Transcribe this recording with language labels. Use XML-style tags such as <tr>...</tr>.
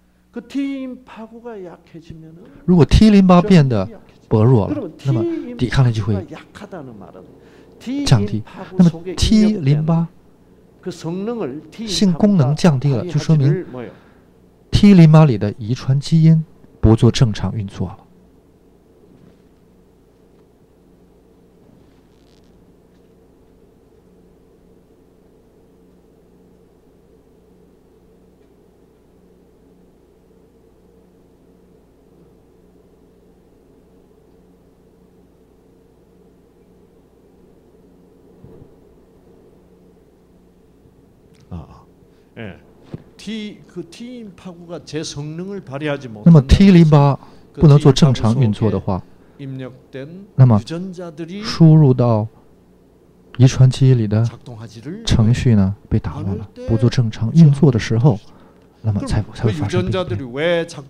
<ko>그 T림파구가 약해지면은</ko> <zh>如果 T림파变得 薄弱了，那么抵抗力就会</zh> <ko>약하다는 말은 T림파구 속에 T림파 그 성능을</ko> <zh>T功能降低了 就说明 T림파里的 遗传基因 不做正常运作了</zh> <ko>T림파구가 제 성능을 발휘하지 못하면</ko> <zh>T림파不能做正常运作的话</zh> <ko>유전자들이</ko> <zh>输入到遗传基因里的程序呢被打乱了不做正常运作的时候那么才会发生病变</zh>